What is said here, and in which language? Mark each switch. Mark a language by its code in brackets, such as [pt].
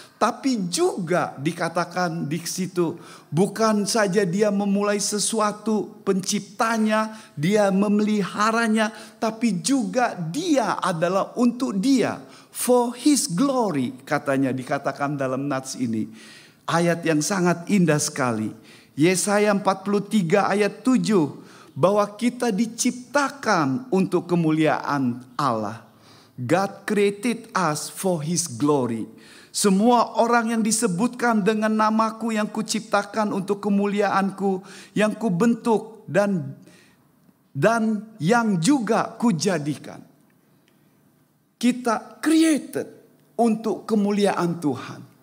[id] Tapi juga dikatakan di situ, bukan saja dia memulai sesuatu penciptanya, dia memeliharanya, tapi juga dia adalah untuk dia. [en] For his glory, [id] katanya, dikatakan dalam nats ini. Ayat yang sangat indah sekali. Yesaya 43 ayat 7. Bahwa kita diciptakan untuk kemuliaan Allah. [en] God created us for his glory. [id] Semua orang yang disebutkan dengan namaku yang kuciptakan untuk kemuliaanku. Yang kubentuk dan yang juga kujadikan. Kita created untuk kemuliaan Tuhan.